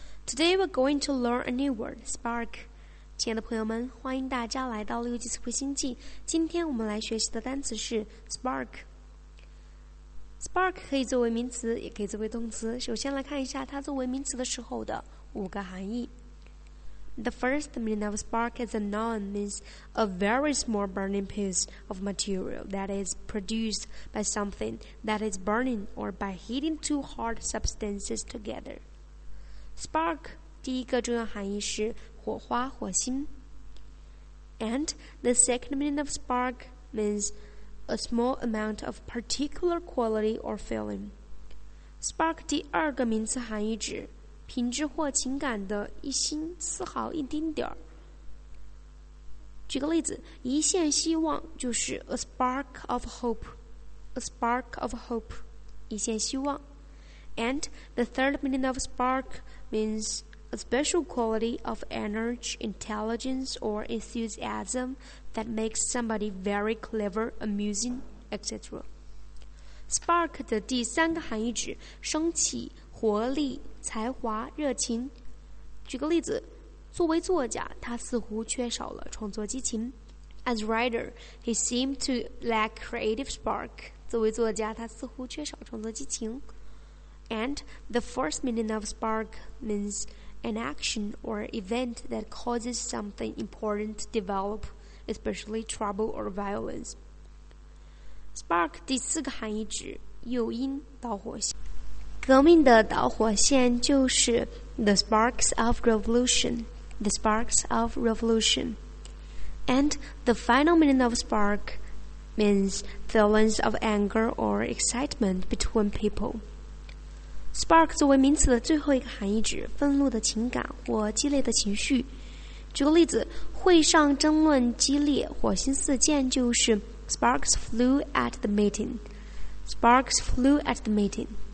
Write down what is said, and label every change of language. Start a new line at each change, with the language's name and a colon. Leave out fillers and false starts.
English: Today we're going to learn a new word, spark.
Chinese: 亲爱的朋友们，欢迎大家来到六级词汇星际。今天我们来学习的单词是 spark。 Spark 可以作为名词，也可以作为动词。首先来看一下它作为名词的时候的五个含义。
English: The first meaning of spark as a noun means a very small burning piece of material that is produced by something that is burning or by heating two hot substances together.
Chinese: Spark, 第一个重要含义是火花、火星。
English: And the second meaning of spark means a small amount of particular quality or feeling.
Chinese: Spark, 第二个名词含义指品质或情感的一星丝毫一丁点儿。举个例子，一线希望就是
English: a spark of hope,
Chinese: a spark of hope, 一线希望。
English: And the third meaning of spark means a special quality of energy, intelligence, or enthusiasm that makes somebody very clever, amusing, etc.
Chinese: Spark 的第三个含义指升起活力、才华、热情。举个例子，作为作家，他似乎缺少了创作激情。
English: As writer, he seemed to lack creative spark.
Chinese: 作为作家，他似乎缺少创作激情。
English: And the first meaning of spark means an action or event that causes something important to develop, especially trouble or violence.
Chinese: Spark 第四个含义指诱因、导火线。革命的导火线就是
English: the sparks of revolution,
Chinese: the sparks of revolution.
English: And the final meaning of spark means feelings of anger or excitement between people.
Chinese: Spark 作为名词的最后一个含义指愤怒的情感或激烈的情绪。举个例子，会上争论激烈，火星四溅就是
English: sparks flew at the meeting,
Chinese: sparks flew at the meeting.